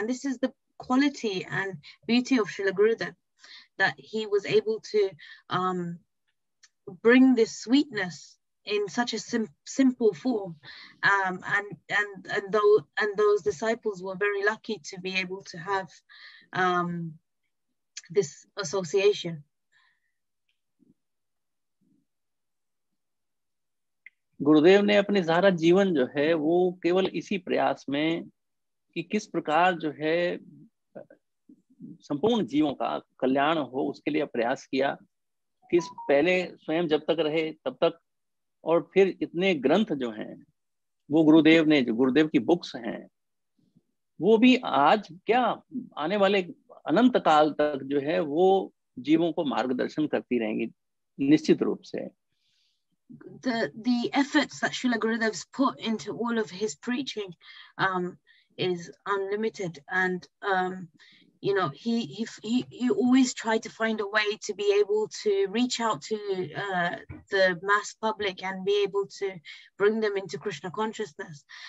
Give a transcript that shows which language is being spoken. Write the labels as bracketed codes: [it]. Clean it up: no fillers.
[en] And this is the quality and beauty of Srila Gurudev, that he was able to bring this sweetness in such a simple form, and those disciples were very lucky to be able to have this association. [hi] गुरुदेव ने अपने सारा जीवन जो है वो केवल इसी प्रयास में कि किस प्रकार जो है संपूर्ण जीवों का कल्याण हो, उसके लिए प्रयास किया। किस पहले स्वयं जब तक रहे तब तक, और फिर इतने ग्रंथ जो हैं वो गुरुदेव ने, जो गुरुदेव की बुक्स हैं, वो भी आज क्या आने वाले अनंत काल तक जो है वो जीवों को मार्गदर्शन करती रहेंगी निश्चित रूप से। [en] The efforts that Srila Gurudev's put into all of his preaching, is unlimited, and you know, he always tried to find a way to be able to reach out to the mass public and be able to bring them into Krishna consciousness.